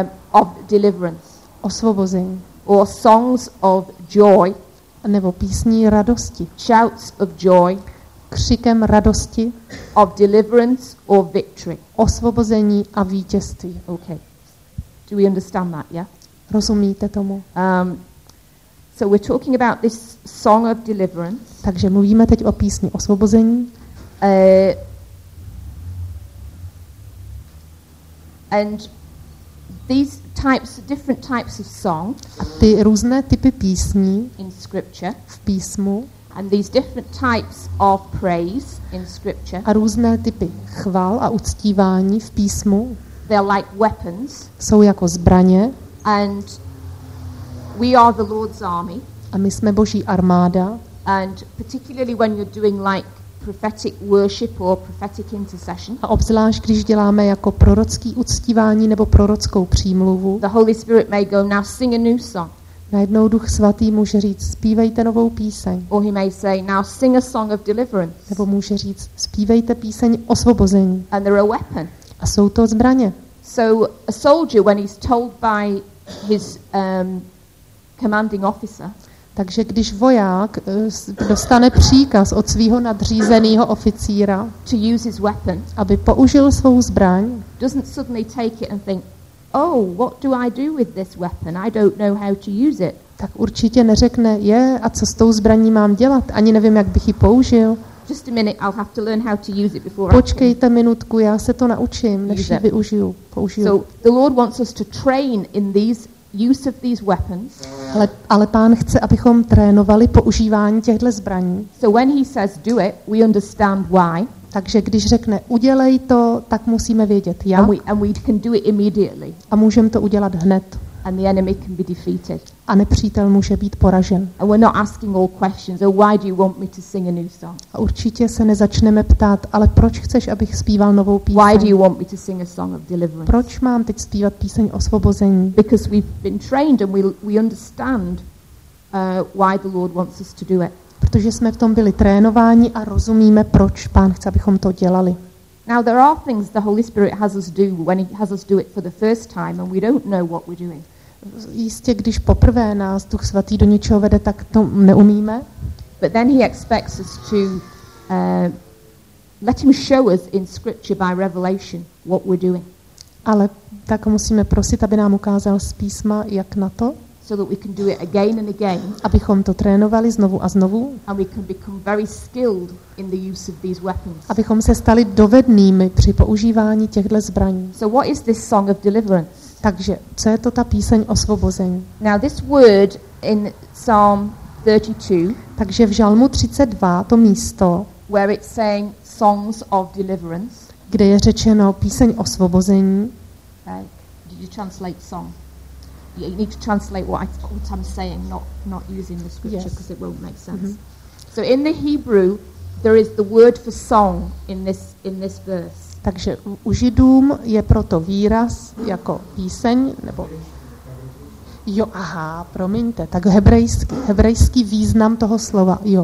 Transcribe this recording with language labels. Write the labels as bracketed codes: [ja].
[en] of deliverance, [cs] osvobození, [en] or songs of joy, [cs] nebo písní radosti, [en] shouts of joy, [cs] křikem radosti, [en] of deliverance or victory, [cs] osvobození a vítězství. [en] Okay, do we understand that? Yeah, [cs] rozumíte tomu? [en] So we're talking about this song of deliverance. [cs] Takže mluvíme teď o písni osvobození. [en] And these types, different types of song. [cs] A ty různé typy písní [en] in scripture. [cs] V písmu. [en] And these different types of praise in scripture. [cs] A různé typy chval a uctívání v písmu. [en] They're like weapons. [cs] Jsou jako zbraně. [en] And we are the Lord's army. [cs] A my jsme Boží armáda. [en] And particularly when you're doing like prophetic worship or prophetic intercession. [cs] A obzvlášť když děláme jako prorocký uctívání nebo prorockou přímluvu. [en] The Holy Spirit may go, now sing a new song. [cs] Najednou Duch Svatý může říct, zpívejte novou píseň. [en] Or he may say, now sing a song of deliverance. [cs] Nebo může říct, zpívejte píseň osvobození. [en] And they're a weapon. [cs] A jsou to zbraně. [en] So a soldier, when he's told by his commanding officer. [cs] Takže když voják dostane příkaz od svého nadřízeného oficíra, [en] to use his weapon, [cs] aby použil svou zbraň, [en] doesn't suddenly take it and think, oh, what do I do with this weapon? I don't know how to use it. [cs] Tak určitě neřekne, je, a co s tou zbraní mám dělat? Ani nevím, jak bych ji použil. [en] Just a minute, I'll have to learn how to use it before. [cs] Počkejte minutku, já se to naučím, než ji využiju, použiju. [en] So the Lord wants us to train in these use of these weapons. [cs] Ale Pán chce, abychom trénovali používání těchto zbraní. [en] So when he says do it, we understand why. [cs] Takže když řekne udělej to, tak musíme vědět jak. [en] And we can do it immediately. [cs] A můžeme to udělat hned. [en] And the enemy can be defeated. [cs] A nepřítel může být poražen. [en] And we're not asking all questions. Oh, why do you want me to sing a new song? [cs] A určitě se nezačneme ptát, ale proč chceš, abych zpíval novou píseň? [en] Why do you want me to sing a song of deliverance? [cs] Proč mám teď zpívat píseň osvobození? [en] Because we've been trained and we understand why the Lord wants us to do it. [cs] Protože jsme v tom byli trénováni a rozumíme, proč Pán chce, abychom to dělali. [en] Now there are things the Holy Spirit has us do when he has us do it for the first time and we don't know what we're doing. [cs] Jistě, když poprvé nás Duch svatý do něčeho vede, tak to neumíme. [en] But then he expects us to let him show us in scripture by revelation what we're doing. [cs] Ale tak musíme prosit, aby nám ukázal z písma, jak na to. [en] So that we can do it again and again. [cs] Abychom to trénovali znovu a znovu. [en] And we can become very skilled in the use of these weapons. [cs] Abychom se stali dovednými při používání těchto zbraní. [en] So what is this song of deliverance? [cs] Takže co je to ta píseň osvobození? [en] Now this word in Psalm 32. [cs] Takže v Žalmu 32 to místo, [en] where it's saying songs of deliverance. [cs] Kde je řečeno píseň osvobození? [en] Right. Did you translate song? You need to translate what I'm saying, not using the scripture, because yes. It won't make sense. Mm-hmm. So in the Hebrew, there is the word for song in this verse. [cs] Takže u Židům je proto výraz jako píseň, nebo... Jo, aha, promiňte, tak hebrejský význam toho slova, jo.